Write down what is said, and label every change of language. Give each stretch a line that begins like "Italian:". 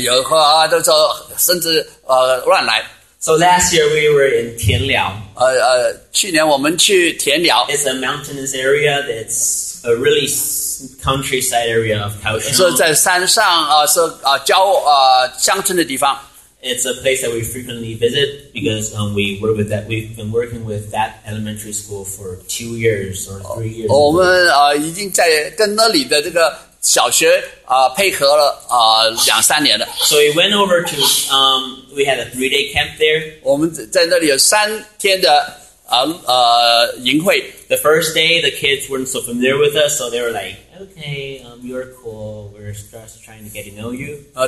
Chinese: 有时候都说甚至乱来。
English: So last year we were in Tianliao.
Chinese: 去年我们去田寮.
English: It's a mountainous area. That's a really countryside area of Kaohsiung.
Chinese: 是在山上，是乡村的地方.
English: It's a place that we frequently visit because we've been working with that elementary school for 2 years or 3 years.
Chinese: 我们已经在跟那里的这个。小学配合了两三年了。
English: So we went over to, we had a 3-day camp there.
Chinese: 我们在那里有三天的营会。
English: The first day, the kids weren't so familiar with us, so they were like, okay, you're cool, we're just trying to get to know you.